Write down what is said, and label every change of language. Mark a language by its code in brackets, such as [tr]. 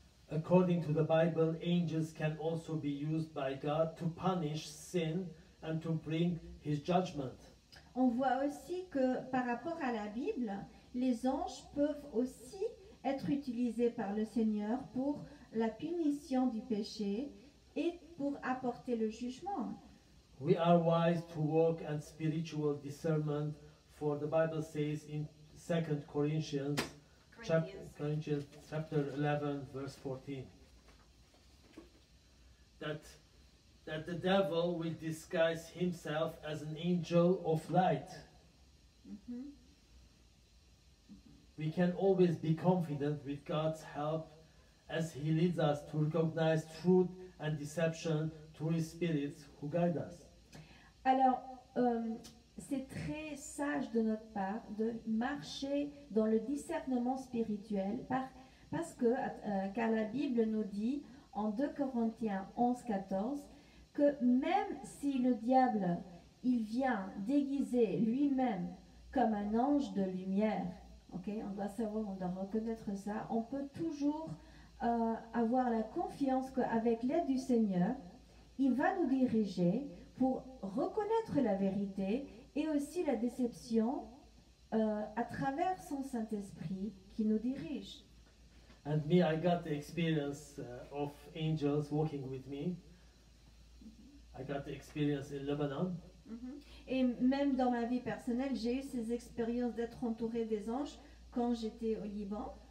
[en] According to the Bible, angels can also be used by God to punish sin and to bring his judgment. [fr] On voit aussi que par rapport à la Bible, les anges peuvent aussi être utilisés par le Seigneur pour la punition du péché et pour apporter le jugement. [en] We are wise to walk in spiritual discernment, for the Bible says in 2 Corinthians chapter 11, verse 14. that the devil will disguise himself as an angel of light. Mm-hmm. We can always be confident with God's help as he leads us to recognize truth and deception through his spirits who guide us. [fr] Alors, c'est très sage de notre part de marcher dans le discernement spirituel parce que la Bible nous dit en 2 Corinthiens 11, 14 que même si le diable il vient déguiser lui-même comme un ange de lumière, okay, on doit savoir, on doit reconnaître ça, on peut toujours avoir la confiance qu'avec l'aide du Seigneur, il va nous diriger pour reconnaître la vérité et aussi la déception à travers son Saint-Esprit qui nous dirige. [en] And me, I got the experience of angels walking with me. I got the experience in Lebanon. Mm-hmm. [fr] Et même dans ma vie personnelle, j'ai eu ces expériences d'être entouré des anges quand j'étais au Liban.